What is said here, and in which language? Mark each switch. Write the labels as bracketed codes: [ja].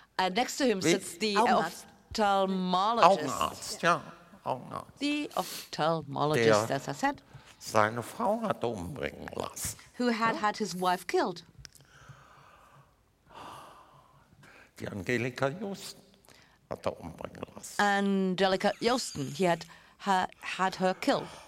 [en] And next to him sits the ophthalmologist. The ophthalmologist, as I said. [de] Seine Frau hat umbringen lassen. [en] Who had had his wife killed. [de] Die Angelika Joosten hat er umbringen lassen. [en] Angelika Joosten, he had had her killed.